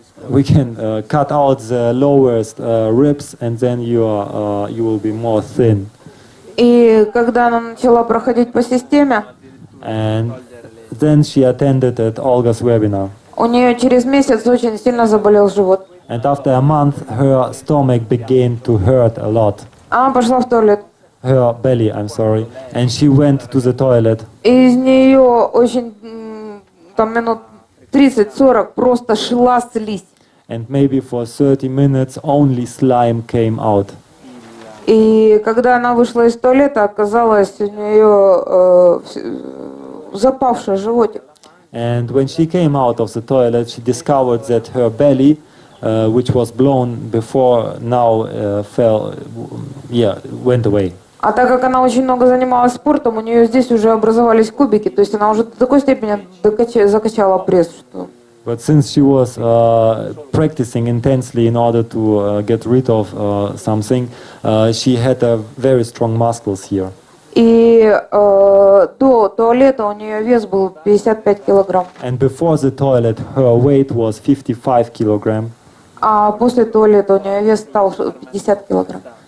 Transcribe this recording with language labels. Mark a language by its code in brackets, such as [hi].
[en] We can cut out the lowest ribs, and then you will be more thin. [ru] И когда она начала проходить по системе, [en] and then she attended at Olga's webinar. [ru] У нее через месяц очень сильно заболел живот. [en] And after a month, her stomach began to hurt a lot. [ru] Она пошла в туалет. [en] Her belly, I'm sorry. And she went to the toilet. [ru] Из нее очень, там минут 30-40 просто шла слизь. [en] And maybe for 30 minutes only slime came out. [ru] И когда она вышла из туалета, оказалось, у нее запавший животик. [en] And when she came out of the toilet, she discovered that her belly, which was blown before, now fell, went away. [ru] А так как она очень много занималась спортом, у нее здесь уже образовались кубики, то есть она уже до такой степени закачала пресс, что. [en] But since she was practicing intensely in order to get rid of something, she had a very strong muscles here. [ru] И до туалета у нее вес был 55 килограмм. [en] And before the toilet, her weight was 55 kilograms. [ru] А после туалета у нее вес стал 50 килограмм.